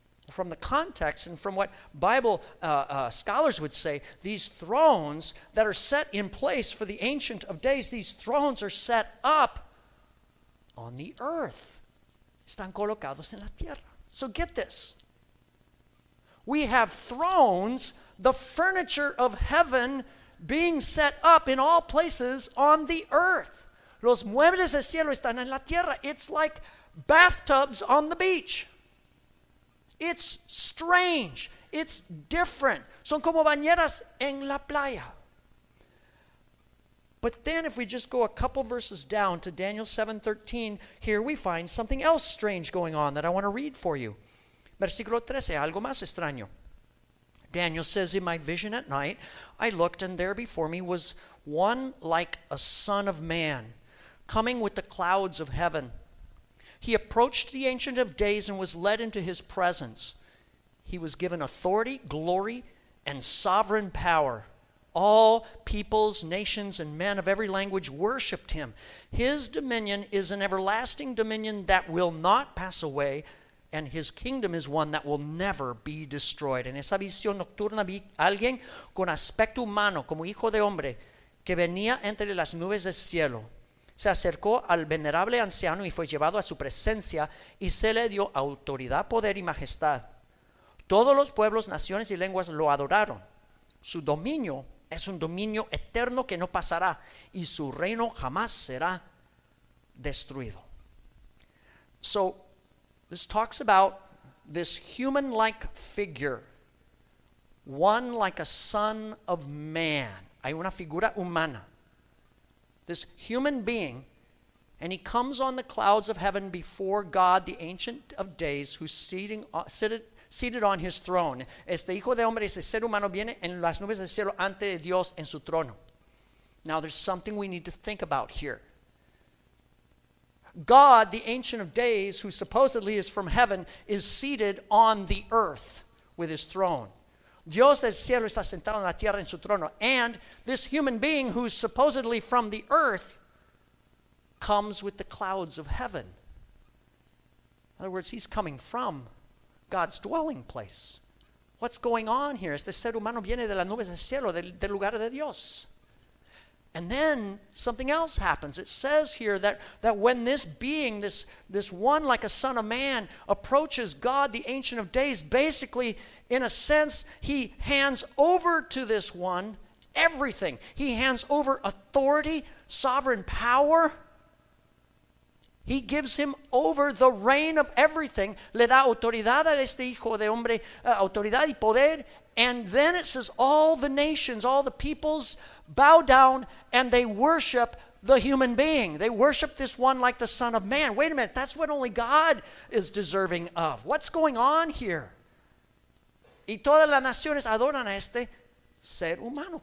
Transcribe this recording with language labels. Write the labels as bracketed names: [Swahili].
[English] From the context and from what Bible scholars would say, these thrones that are set in place for the Ancient of Days, these thrones are set up on the earth. [Spanish] Están colocados en la tierra. [English] So get this. We have thrones, the furniture of heaven, being set up in all places on the earth. [Spanish] Los muebles del cielo están en la tierra. [English] It's like bathtubs on the beach. It's strange. It's different. [Spanish] Son como bañeras en la playa. [English] But then if we just go a couple verses down to Daniel 7:13, here we find something else strange going on that I want to read for you. [Spanish] Versículo 13, algo más extraño. [English] Daniel says, in my vision at night, I looked and there before me was one like a son of man coming with the clouds of heaven. He approached the Ancient of Days and was led into his presence. He was given authority, glory, and sovereign power. All peoples, nations, and men of every language worshipped him. His dominion is an everlasting dominion that will not pass away, and his kingdom is one that will never be destroyed. [Spanish] En esa visión nocturna vi alguien con aspecto humano, como hijo de hombre, que venía entre las nubes del cielo. Se acercó al venerable anciano y fue llevado a su presencia y se le dio autoridad, poder y majestad. Todos los pueblos, naciones y lenguas lo adoraron. Su dominio es un dominio eterno que no pasará y su reino jamás será destruido. [English] So, this talks about this human-like figure, one like a son of man. [Spanish] Hay una figura humana. [English] This human being, and he comes on the clouds of heaven before God, the Ancient of Days, who's seated on his throne. [Spanish] Este hijo de hombre, ese ser humano, viene en las nubes del cielo ante Dios en su trono. [English] Now, there's something we need to think about here. God, the Ancient of Days, who supposedly is from heaven, is seated on the earth with his throne. [Spanish] Dios del cielo está sentado en la tierra en su trono. [English] And this human being who's supposedly from the earth comes with the clouds of heaven. In other words, he's coming from God's dwelling place. What's going on here? [Spanish] Este ser humano viene de las nubes del cielo, del lugar de Dios. [English] And then something else happens. It says here that when this being, this one like a son of man, approaches God, the Ancient of Days, basically, in a sense, he hands over to this one everything. He hands over authority, sovereign power. He gives him over the reign of everything. [Spanish] Le da autoridad a este hijo de hombre, autoridad y poder. [English] And then it says all the nations, all the peoples bow down and they worship the human being. They worship this one like the son of man. Wait a minute, that's what only God is deserving of. What's going on here? [Spanish] Y todas las naciones adoran a este ser humano.